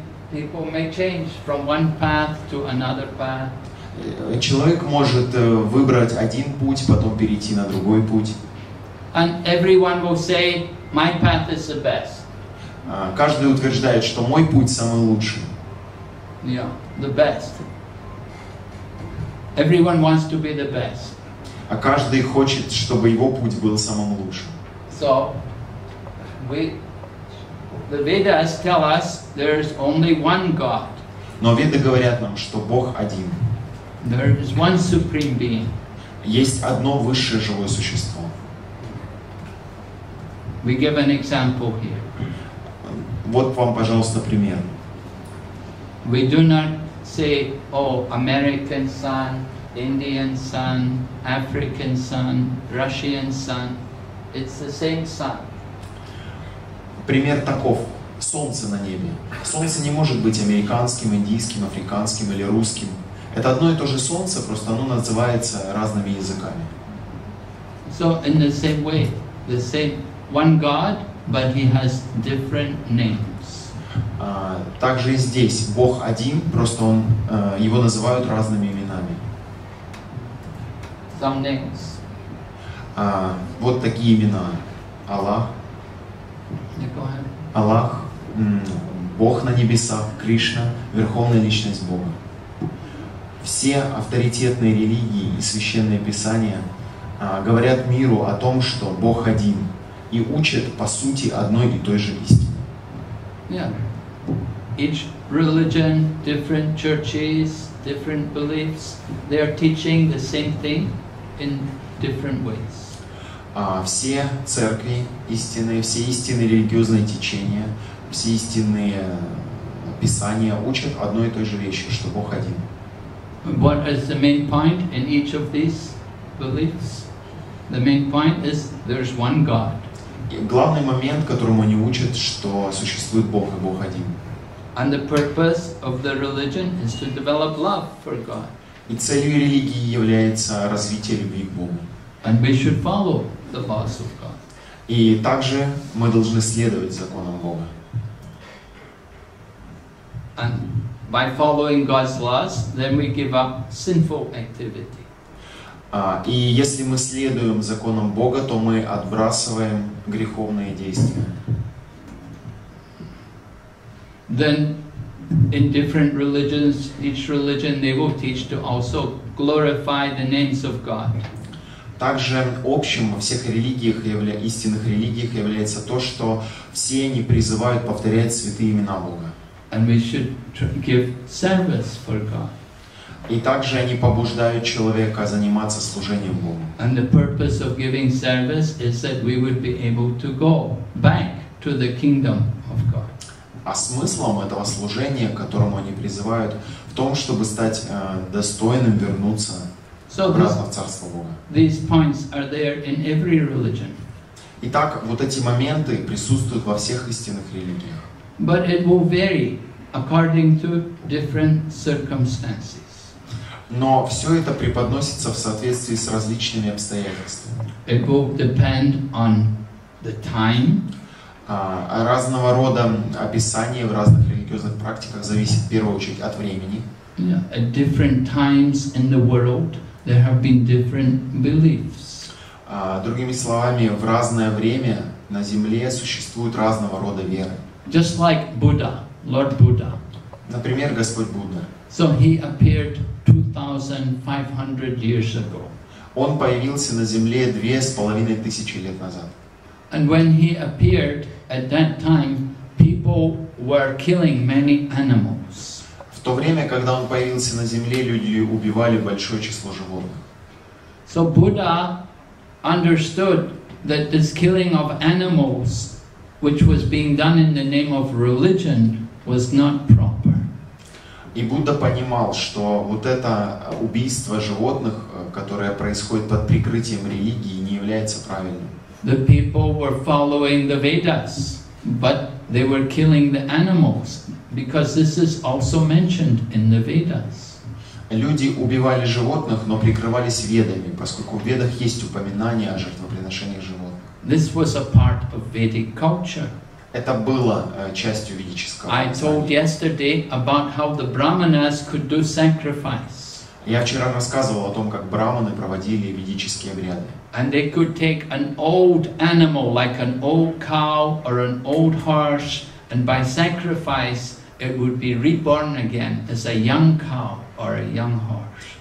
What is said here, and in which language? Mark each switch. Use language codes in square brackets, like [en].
[en] People may change from one path to another path. [ru] Человек может выбрать один путь, потом перейти на другой путь. [en] And everyone will say, my path is the best. [ru] Каждый утверждает, что мой путь самый лучший. [en] Yeah, the best. Everyone wants to be the best. [ru] А каждый хочет, чтобы его путь был самым лучшим. [en] So, the Vedas tell us there is only one God. [ru] Но Веды говорят нам, что Бог один. [en] There is one supreme being. [ru] Есть одно высшее живое существо. [en] We give an example here. [ru] Вот вам, пожалуйста, пример. [en] We do not say, oh, American sun, Indian sun, African sun, Russian sun. It's the same sun. [ru] Пример таков. Солнце на небе. Солнце не может быть американским, индийским, африканским или русским. Это одно и то же солнце, просто оно называется разными языками. [en] So, in the same way, the same one God, but he has different names. [ru] Также и здесь Бог один, просто он его называют разными именами. [en] Some names. [ru] Вот такие имена: Аллах. [en] Yeah, go ahead. [ru] Аллах, Бог на небесах, Кришна, верховная личность Бога. Все авторитетные религии и священные писания говорят миру о том, что Бог один. И учат по сути одной и той же истине. [en] Yeah. Each religion, different churches, different beliefs, they are teaching the same thing in different ways. [ru] Все церкви истинные, все истинные религиозные течения, все истинные писания учат одной и той же вещи, что Бог один. [en] What is the main point in each of these beliefs? The main point is there's one God. [ru] И главный момент, которому они учат, что существует Бог, и Бог один. [en] And the purpose of the religion is to develop love for God. [ru] И целью религии является развитие любви к Богу. [en] And we should follow the laws of God. [ru] И также мы должны следовать законам Бога. [en] And by following God's laws, then we give up sinful activity. [ru] И если мы следуем законам Бога, то мы отбрасываем греховные действия. [en] Then in different religions, each religion they will teach to also glorify the names of God. [ru] Также общим во всех религиях, истинных религиях, является то, что все они призывают повторять святые имена Бога. [en] And we should give service for God. [ru] И также они побуждают человека заниматься служением Богу. [en] And the purpose of giving service is that we would be able to go back to the kingdom of God. [ru] А смыслом этого служения, которому они призывают, в том, чтобы стать достойным вернуться обратно в Царство Бога. [en] These points are there in every religion. [ru] Итак, вот эти моменты присутствуют во всех истинных религиях. [en] But it will vary according to different circumstances. [ru] Но все это преподносится в соответствии с различными обстоятельствами. [en] It will depend on the time. [ru] Разного рода описания в разных религиозных практиках зависит в первую очередь от времени. [en] Yeah. At different times in the world, there have been different beliefs. [ru] Другими словами, в разное время на Земле существуют разного рода веры. [en] Just like Buddha, Lord Buddha. [ru] Например, Господь Будда. [en] So he appeared 2,500 years ago. [ru] Он появился на Земле 2,500 лет назад. [en] And when he appeared at that time, people were killing many animals. [ru] В то время, когда он появился на Земле, люди убивали большое число животных. [en] So Buddha understood that this killing of animals, which was being done in the name of religion, was not proper. [ru] И Будда понимал, что вот это убийство животных, которое происходит под прикрытием религии, не является правильным. [en] The people were following the Vedas, but they were killing the animals, because this is also mentioned in the Vedas. [ru] Люди убивали животных, но прикрывались ведами, поскольку в ведах есть упоминание о жертвоприношениях животных. [en] This was a part of Vedic culture. [ru] Это было частью ведического. [en] I told yesterday about how the brahmanas could do sacrifice. [ru] Я вчера рассказывал о том, как брахманы проводили ведические обряды. [en] And they could take an old animal, like an old cow or an old horse, and by sacrifice it would be reborn again as a young cow or a young horse.